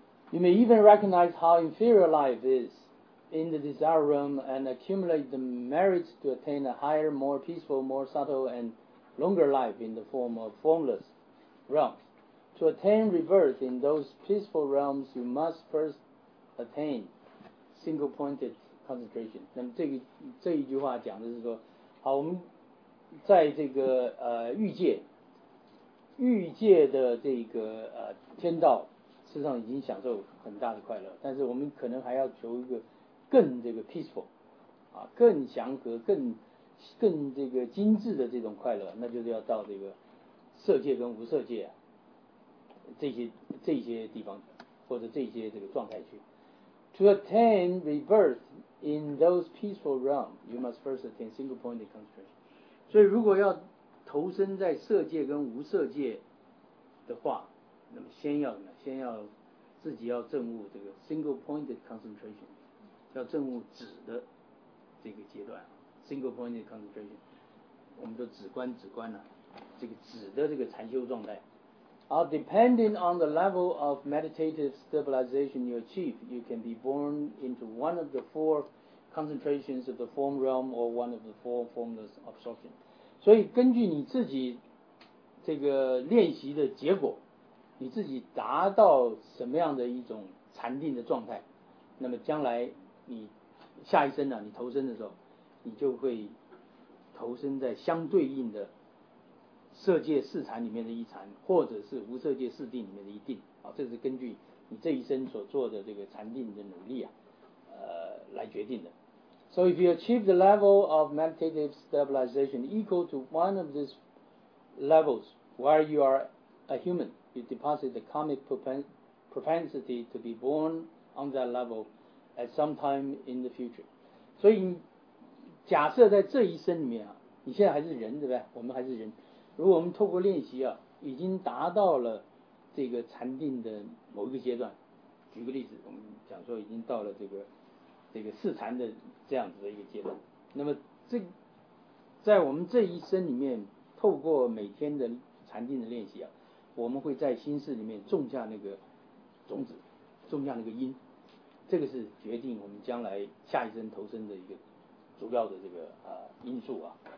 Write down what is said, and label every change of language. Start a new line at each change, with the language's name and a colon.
English: You may even recognize how inferior life is in the desire realm and accumulate the merits to attain a higher, more peaceful, more subtle, and longer life in the form of formless realms. To attain rebirth in those peaceful realms, you must first attain single-pointed concentration.
Chinese: 那么这一句话讲的是说，好，我们在这个欲界的天道。事实上已经享受很大的快乐，但是我们可能还要求一个更这个 peaceful 啊，更祥和、更这个精致的这种快乐，那就是要到这个色界跟无色界、啊、这些地方或者这些这个状态去。
English: To attain rebirth in those peaceful realms, you must first attain single-pointed concentration.
Chinese: 所以如果要投身在色界跟无色界的话，那么先要什么？先要自己要证悟这个 single-pointed concentration， 要证悟止的这个阶段。 single-pointed concentration， 我们说止观了、啊，这个止的这个禅修状态。
English: 而 depending on the level of meditative stabilization you achieve, you can be born into one of the four concentrations of the form realm or one of the four formless absorption。
Chinese: 所以根据你自己这个练习的结果。你自己达到什么样的一种禅定的状态，那么将来你下一生呢、啊、你投身的时候，你就会投身在相对应的色界四禅里面的一禅，或者是无色界四定里面的一定啊，这是根据你这一生所做的这个禅定的努力啊来决定的。
English: So if you achieve the level of meditative stabilization equal to one of these levels while you are a humanYou deposit the karmic propensity to be born on that level at some time in the future.
Chinese: 所以假设在这一生里面、啊、你现在还是人对不对？我们还是人，如果我们透过练习、啊、已经达到了这个禅定的某一个阶段，举个例子，我们讲说已经到了这个四禅的这样子的一个阶段，那么这在我们这一生里面透过每天的禅定的练习啊，我们会在心事里面种下那个种子，种下那个因，这个是决定我们将来下一生投身的一个主要的这个因素啊。